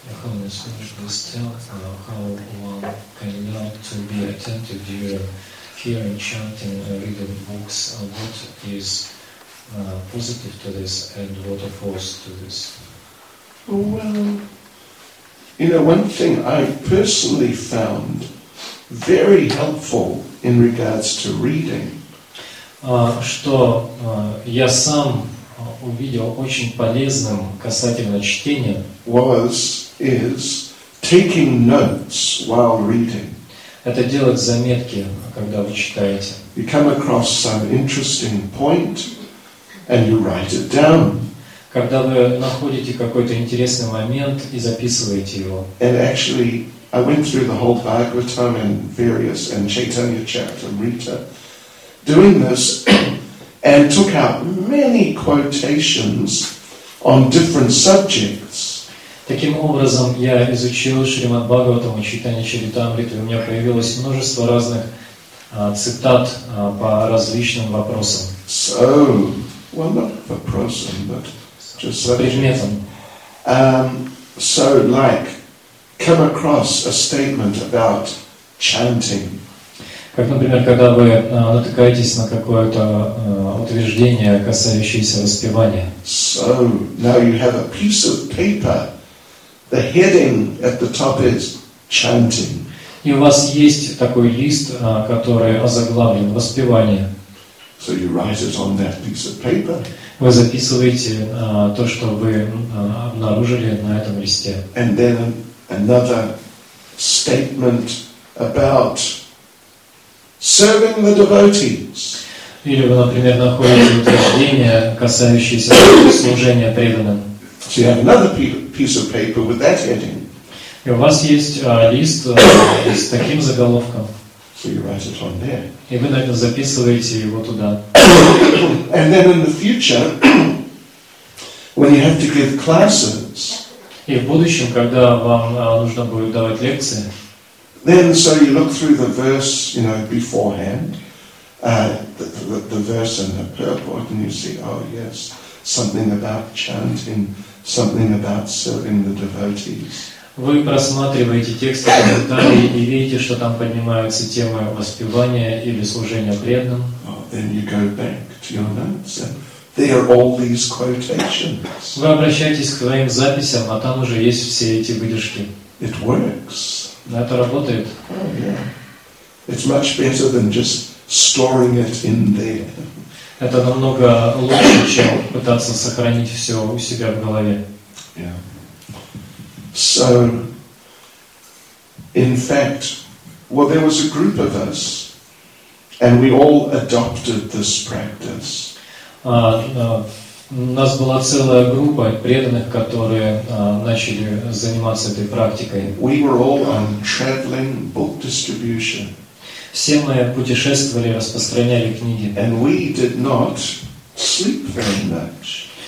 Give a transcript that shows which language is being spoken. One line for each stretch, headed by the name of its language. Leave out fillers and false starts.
English: Tell how one can learn to be attentive during hearing chanting and reading books. What is positive to this and what opposed to this? Well, you know, one thing I personally found very helpful in regards to reading.
Russian: Что я сам увидел очень полезным касательно чтения.
English: Was is taking notes while reading.
Russian: Это делать заметки, когда вы читаете.
English: You come across some interesting point, and you write it down.
Russian: Когда вы находите какой-то интересный момент и записываете его.
English: And actually, I went through the whole Bhagavatam and various and Chaitanya Charitamrita, doing this, and took out many quotations on different subjects.
Russian: Таким образом, я изучил Шримад Бхагаватам и Чайтанья Чаритамриту, и у меня появилось множество разных цитат по различным вопросам.
English: So, well, not
Russian: вопросам,
English: but just
Russian: предметам.
English: So, like, come across a statement about chanting.
Russian: Как, например, когда вы натыкаетесь на какое-то утверждение, касающееся воспевания.
English: So, now you have a piece of paper. The heading at the top is chanting.
Russian: И у вас есть такой лист, который озаглавлен «Воспевание».
English: So you write it on that piece of paper.
Russian: Вы записываете то, что вы обнаружили на этом листе.
English: And then another statement about serving the devotees.
Russian: Или вы, например, находите утверждение, касающееся служения преданным.
English: So you have another piece of paper with that heading.
Russian: И у вас есть лист с таким заголовком.
English: So you write it on there.
Russian: И вы, наверное, записываете его туда.
English: And then in the future, when you have to give classes.
Russian: И в будущем, когда вам нужно будет давать лекции.
English: Then so you look through the verse, you know, beforehand, the verse and the purport, and you see, oh yes, something about chanting. Something about serving the devotees.
Russian: Вы просматриваете тексты, комментарии и видите, что там поднимаются темы воспевания или служения преданным.
English: Then you go back to your notes, and there are all these quotations.
Russian: Вы обращаетесь к своим записям, а там уже есть все эти выдержки.
English: It works.
Russian: Это работает.
English: It's much better than just storing it in there.
Russian: Это намного лучше, чем пытаться сохранить все у себя в голове.
English: So, in fact, well, there was a group of us, and we all adopted this practice.
Russian: У нас была целая группа преданных, которые начали заниматься этой практикой.
English: We were all on traveling book distribution.
Russian: Все мы путешествовали, распространяли книги.
English: And we did not sleep very much.